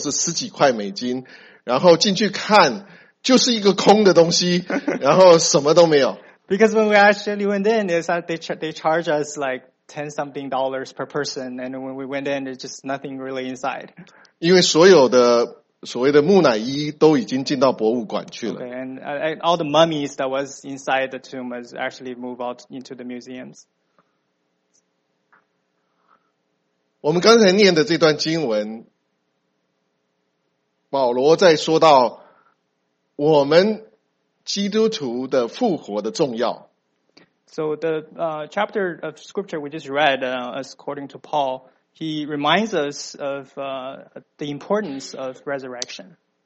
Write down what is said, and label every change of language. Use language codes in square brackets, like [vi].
[zh] 因为这个是我记得，如果没错是十几块美金，然后进去看。就是一个空的东西，然后什么都没有。Because [en] when we actually went in, is that they charge us like $10-something per person, and when we went in, there's just nothing really inside. [zh] 因为所有的所谓的木乃伊都已经进到博物馆去了。And [en] all the mummies that was inside the tomb was actually moved out into the museums. [zh] 我们刚才念的这段经文，保罗在说到。我们基督徒的复活的重要。So [en] the chapter of scripture we just read, as according to Paul, he reminds us of the importance of resurrection.